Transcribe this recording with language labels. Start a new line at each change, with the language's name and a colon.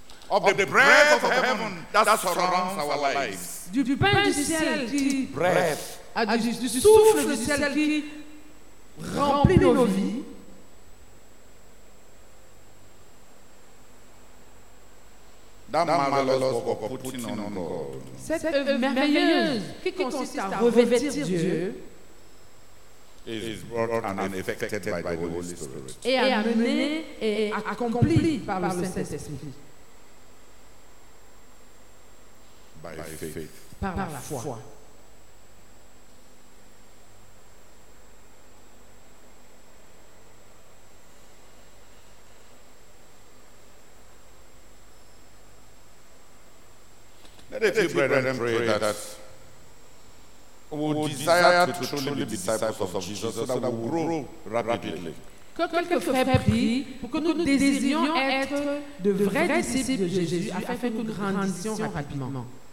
English: Of the breath of heaven that surrounds our lives.
French: Du pain du ciel qui
English: breath.
French: Du souffle du ciel qui remplit nos vies.
English: That marvelous work of putting on God.
French: Cette œuvre merveilleuse qui consiste à revêtir Dieu.
English: Is brought and effected by the Holy Spirit.
French: Et amené et accompli par le Saint-Esprit.
English: By faith.
French: Par la foi.
English: Let us, brethren, pray that we will desire to truly be disciples of Jesus so that we will grow rapidly.
French: Que quelques frères prient pour que nous désirions être de vrais disciples de Jésus afin que nous grandissions rapidement.